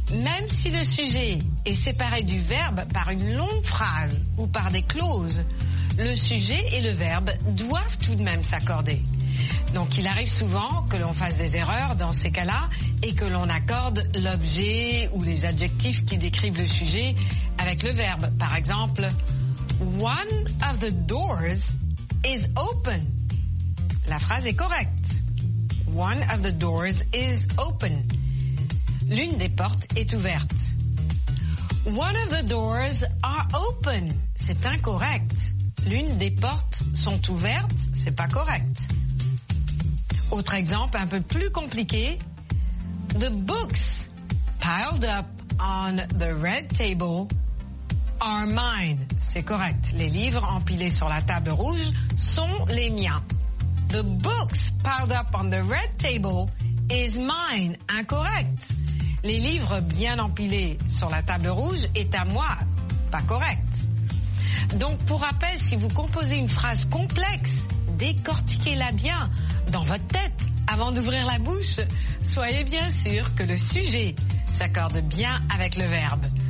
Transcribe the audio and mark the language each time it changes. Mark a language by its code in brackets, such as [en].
[fr] Même si le sujet est séparé du verbe par une longue phrase ou par des clauses, le sujet et le verbe doivent tout de même s'accorder. Donc il arrive souvent que l'on fasse des erreurs dans ces cas-là et que l'on accorde l'objet ou les adjectifs qui décrivent le sujet avec le verbe. Par exemple, [en] one of the doors is open. [fr] La phrase est correcte. [en] One of the doors is open. [fr] L'une des portes est ouverte. [en] One of the doors are open. [fr] C'est incorrect. L'une des portes sont ouvertes. C'est pas correct. Autre exemple un peu plus compliqué. [en] The books piled up on the red table are mine. [fr] C'est correct. Les livres empilés sur la table rouge sont les miens. [en] The books piled up on the red table is mine. [fr] Incorrect. Les livres bien empilés sur la table rouge est à moi. Pas correct. Donc, pour rappel, si vous composez une phrase complexe, décortiquez-la bien dans votre tête avant d'ouvrir la bouche. Soyez bien sûr que le sujet s'accorde bien avec le verbe.